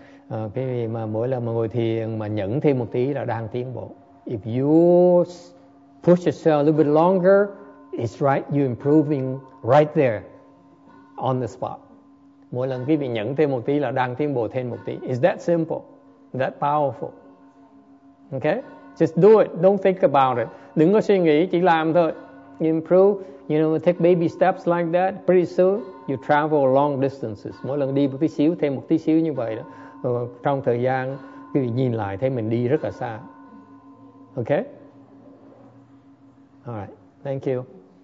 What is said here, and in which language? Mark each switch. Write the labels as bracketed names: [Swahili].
[Vietnamese] Quý vị mà mỗi lần mà ngồi thiền mà nhẫn thêm một tí là đang tiến bộ. [English] If you push yourself a little bit longer, it's right, you're improving right there, on the spot. [Vietnamese] Mỗi lần quý vị nhẫn thêm một tí là đang tiến bộ thêm một tí. [English] It's that simple, that powerful. Okay? Just do it. Don't think about it. [Vietnamese] Đừng có suy nghĩ, chỉ làm thôi. [English] You improve, you know, take baby steps like that. Pretty soon, you travel long distances. [Vietnamese] Mỗi lần đi một tí xíu, thêm một tí xíu như vậy đó. Trong thời gian, quý vị nhìn lại thấy mình đi rất là xa. [English] Okay? Alright, thank you.